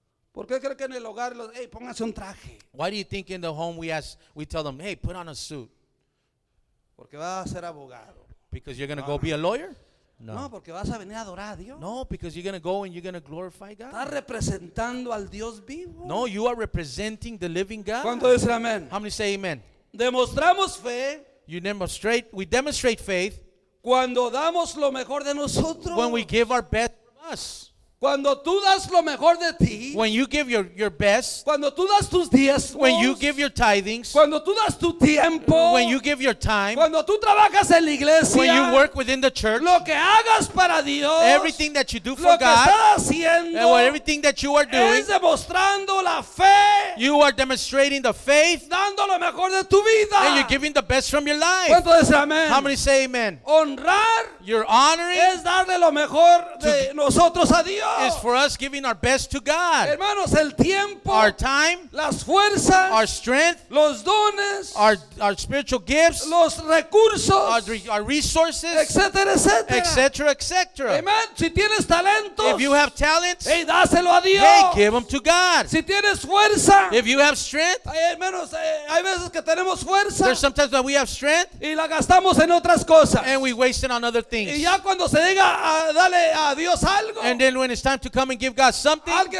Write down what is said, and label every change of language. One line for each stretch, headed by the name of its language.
Spanish: ¿Por qué cree que en el hogar los, hey, póngase un traje?
English: Why do you think in the home we tell them, hey, put on a suit?
Spanish: Porque vas a ser abogado.
English: Because you're going to go be a lawyer?
Spanish: No. No, porque vas a venir a adorar a Dios.
English: No, because you're going to go and you're going to glorify God.
Spanish: ¿Estás representando al Dios vivo?
English: No, you are representing the living God.
Spanish: ¿Cuánto dice amén?
English: How many say amen?
Spanish: Demostramos fe.
English: We demonstrate faith.
Spanish: Cuando damos lo mejor de nosotros.
English: When we give our best from us.
Spanish: Cuando tú das lo mejor de ti.
English: When you give your best.
Spanish: Cuando tú das tus diezmos.
English: When you give your tithings.
Spanish: Cuando tú das tu tiempo.
English: When you give your time.
Spanish: Cuando tú trabajas en la iglesia.
English: When you work within the church.
Spanish: Lo que hagas para Dios.
English: Everything that you do for God.
Spanish: Lo que estás haciendo.
English: And everything that you are doing.
Spanish: Es demostrando la fe.
English: You are demonstrating the faith.
Spanish: Dando lo mejor de tu vida.
English: And you're giving the best from your life.
Spanish: ¿Cuánto dice amén?
English: How many say amen?
Spanish: Honrar.
English: You're honoring.
Spanish: Es darle lo mejor de nosotros a Dios.
English: Is for us giving our best to God.
Spanish: Hermanos, el tiempo,
English: our time,
Spanish: las fuerzas,
English: our strength,
Spanish: los dones,
English: our spiritual gifts,
Spanish: los recursos,
English: our resources,
Spanish: etc.
English: etc.
Spanish: Amen. Si tienes talentos,
English: if you have talents,
Spanish: hey, dáselo a Dios.
English: Hey, give them to God.
Spanish: Si tienes fuerza,
English: if you have strength,
Spanish: hermanos, hay veces que tenemos fuerza,
English: there's sometimes that we have strength,
Spanish: y la gastamos en otras cosas,
English: and we waste it on other things.
Spanish: Y ya cuando se diga a darle a Dios algo,
English: and then when it's time to come and give God something,